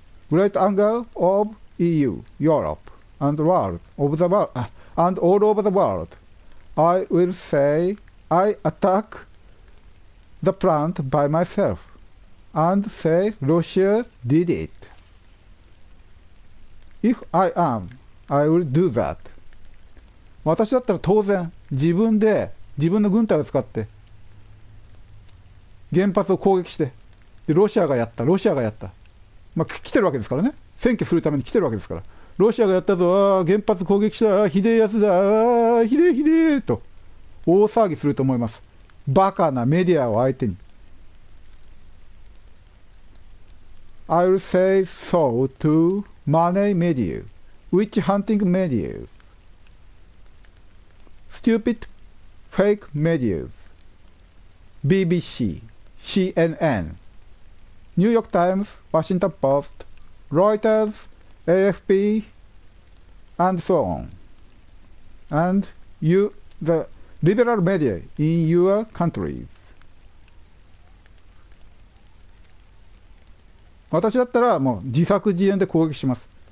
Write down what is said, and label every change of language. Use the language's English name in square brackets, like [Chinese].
[English] Great anger of EU, Europe, and world, of the world. And all over the world, I will say I attack the plant by myself and say Russia did it. If I am, I will do that. [Japanese] 私だったら当然自分の軍隊を使って原発を攻撃して、でロシアがやった。まあ来てるわけですからね。占拠するために来てるわけですから。ロシアがやったぞ、原発攻撃した、ひでえやつだ、ひでえひでえと大騒ぎすると思います、バカなメディアを相手に。 [English] I will say so to money media, witch hunting media, stupid fake media, BBC, CNN, New York Times, Washington Post, Reuters, AFP and so on, and you, the liberal media in your countries. [Japanese] 私だったらもう自作自演で攻撃します。